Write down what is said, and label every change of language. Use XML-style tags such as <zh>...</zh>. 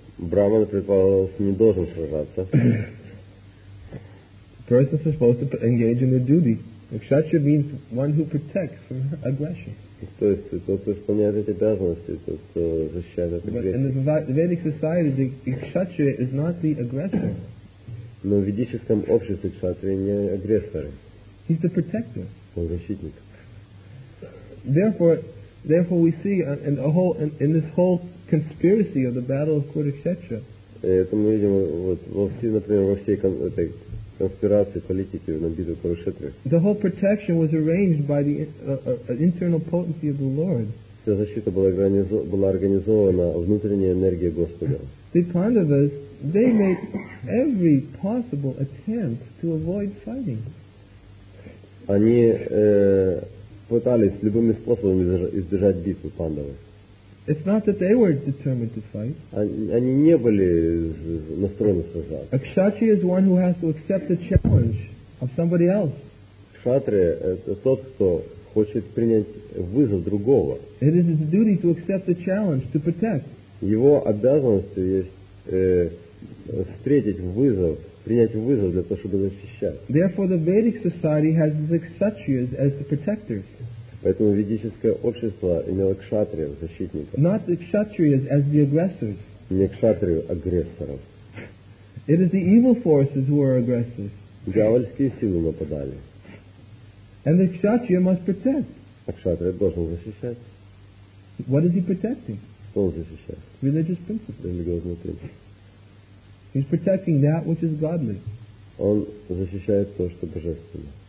<ru>Brahmin, предполагалось, не должен сражаться.</ru> <en>person supposed to engage in a duty. A kshatriya means one who protects from aggression.</en> <ru>То есть тот, кто исполняет эти обязанности, тот, кто защищает агрессию. Но в ведическом обществе кшатрия не агрессоры.</ru> <en>He's the protector.</en> <ru>Он защитник.</ru> <en>Therefore we see in this whole conspiracy of the battle of Kurukshetra.</en> <ru>Это мы видим вот во всей, например, во всей этой конспирации политики на битве Курукшетры.</ru> <en>The whole protection was arranged by the internal potency of the Lord.</en> <ru>Вся защита была организована внутренней энергией Господа.</ru> <en>The Pandavas, they made every possible attempt to avoid fighting.</en> <ru>Они пытались любыми способами избежать битвы пандавы.</ru> <en>It's not that they were determined to fight.</en> <ru>Они не были настроены сражаться.</ru> <en>A kshatriya is one who has to accept the challenge of somebody else.</en> <ru>Кшатрия это тот, кто хочет принять вызов другого.</ru> <en>It is his duty to accept the challenge to protect.</en> <ru>Его обязанностью есть встретить вызов. Принять вызов для того, чтобы защищать.</ru> <en>Therefore, the Vedic society has the kshatriyas as the protectors.</en> <ru>Поэтому ведическое общество имело кшатриев, защитников.</ru> <en>Not the kshatriyas as the aggressors.</en> <ru>Не кшатриев, агрессоров.</ru> <en>It is the evil forces who are aggressors.</en> <ru>Дьявольские силы нападали.</ru> <en>And the kshatriya must protect.</en> <ru>А кшатрия должен защищать.</ru> <en>What is he protecting?</en> <ru>Что он защищает?</ru> <en>Religious principles.</en> <ru>Религиозные принципы.</ru> <en>He's protecting that which is godly.</en> <ru>Он защищает то, что божественно.</ru>